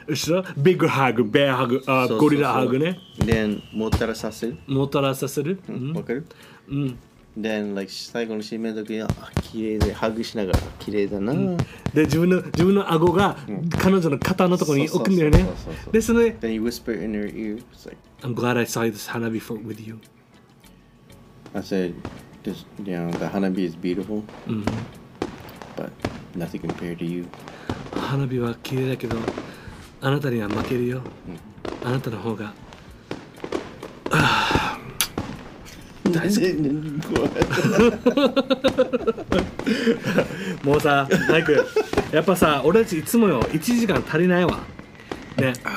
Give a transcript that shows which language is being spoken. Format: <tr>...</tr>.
<ja>後ろ、ビッグハグ、ベアハグ、あ、そうそうそう、ゴリラハグね。で、もたらさせる、もたらさせる、うん、わかる。うん、で、like、最後の締めの時は綺麗でハグしながら綺麗だな、うん、で、自分の顎が、うん、彼女の肩のところに置くんだよね。で、その</ja> <en>Then you whisper in her ear, it's like I'm glad I saw this 花火 with you. I said, this, you know, the 花火 is beautiful、</en> <ja>うん、</ja> <en>but nothing compared to you.</en> <ja>花火は綺麗だけどあなたには負けるよ、うん、あなたの方が大好き、ね、もうさ、マイクやっぱさ、俺たちいつもよ1時間足りないわね。</ja>